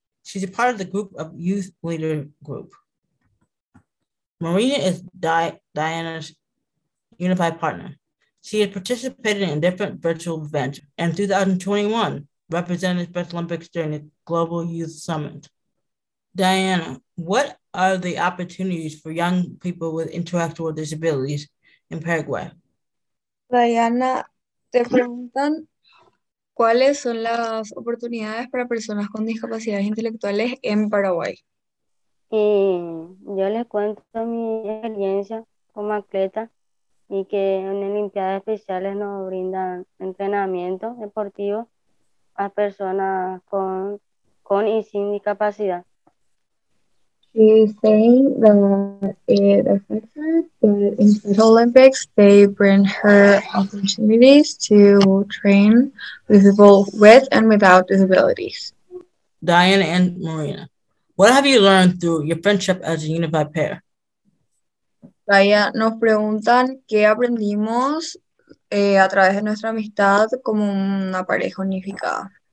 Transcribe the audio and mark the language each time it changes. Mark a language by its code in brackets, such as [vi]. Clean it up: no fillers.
[en] She's a part of the group of youth leader group. Marina is Diana's unified partner. She has participated in different virtual events and 2021 represented Special Olympics during the Global Youth Summit. Diana, what are the opportunities for young people with intellectual disabilities in Paraguay? [es] Diana, te preguntan cuáles son las oportunidades para personas con discapacidades intelectuales en Paraguay. Yo les cuento mi experiencia como atleta y que en Olimpiadas Especiales nos brindan entrenamiento deportivo a personas con y sin discapacidad. [en] She's saying that in Special Olympics, they bring her opportunities to train with people with and without disabilities. Diana and Marina, what have you learned through your friendship as a unified pair? [es] Diana, nos preguntan qué aprendimos a través de nuestra amistad como una pareja unificada.